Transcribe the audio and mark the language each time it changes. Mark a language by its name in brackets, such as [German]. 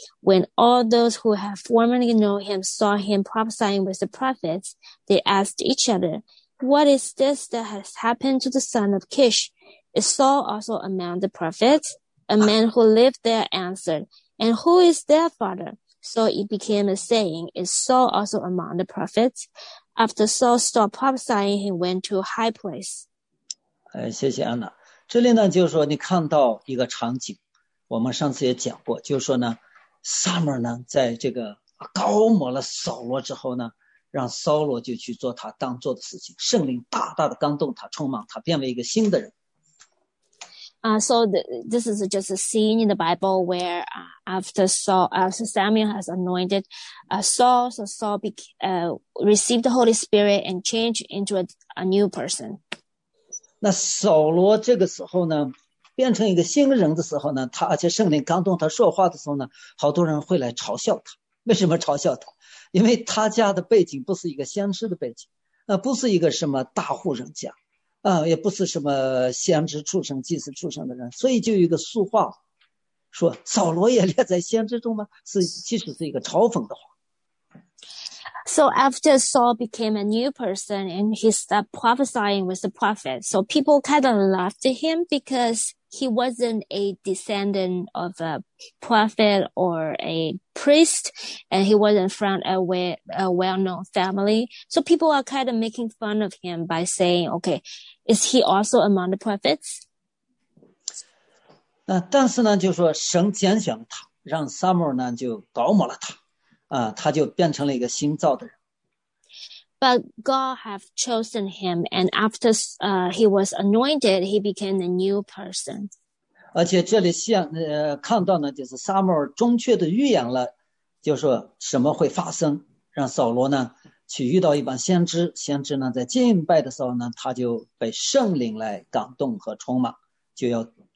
[English] When all those who had formerly known him saw him prophesying with the prophets, they asked each other, "What is this that has happened to the son of Kish? Is Saul also among the prophets?" A man who lived there answered, "And who is their father?" So it became a saying, "Is Saul also among the prophets?" After Saul stopped prophesying, he went to a high place. [Chinese] 谢谢安娜。这里呢，就是说你看到一个场景，我们上次也讲过，就是说呢，撒母耳呢，在这个高抹了扫罗之后呢，让扫罗就去做他当做的事情，圣灵大大的感动他，充满他，变为一个新的人。 [English] So this is just a scene in the Bible where after Samuel has anointed Saul, so Saul received the Holy Spirit and changed into a new person. [Chinese] 那扫罗这个时候呢，变成一个新人的时候呢，他而且圣灵感动他说话的时候呢，好多人会来嘲笑他。为什么嘲笑他？因为他家的背景不是一个先知的背景，不是一个什么大户人家。也不是什么先知出生、祭司出生的人，所以就有一个俗话，说扫罗也列在先知中吗？是，其实是一个嘲讽的话。 [English] So after Saul became a new person and he started prophesying with the prophet, so people kind of laughed at him because he wasn't a descendant of a prophet or a priest, and he wasn't from a well-known family. So people are kind of making fun of him by saying, okay, is he also among the prophets? [Chinese] 但是呢，就说神拣选他，让撒母耳呢就保姆了他，他就变成了一个新造的人。 [English] But God have chosen him, and after he was anointed, he became a new person. [Chinese] 而且这里像看到呢，就是撒母耳准确的预言了，就说什么会发生，让扫罗呢去遇到一帮先知，先知呢在敬拜的时候呢，他就被圣灵来感动和充满，就要。